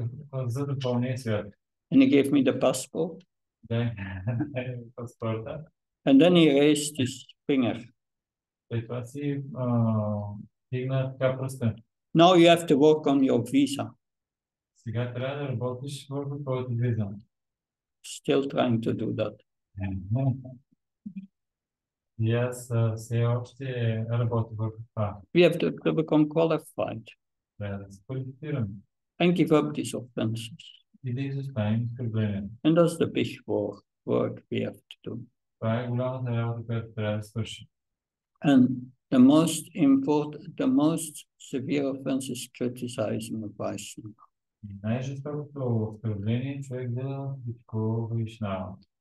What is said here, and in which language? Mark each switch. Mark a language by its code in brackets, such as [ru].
[en] And he gave me the passport. And then he raised his finger. Now you have to work on your visa. [bg] Сега трябва да работиш върху твоето виза. [en] Still trying to do that. [bg] И аз все още работя върху това. [en] We have to become qualified. [bg] Трябва да се квалифицирам. [en] And give up these offenses. [bg] И да изоставим проблемите. [en] And that's the big work we have to do. [bg] Това е голямата работа, която трябва да свърши. [en] And the most important, the most severe offense is criticizing of Vaishnava. [bg] И най-жестокото оскърбление е човек да критикува Вайшнава.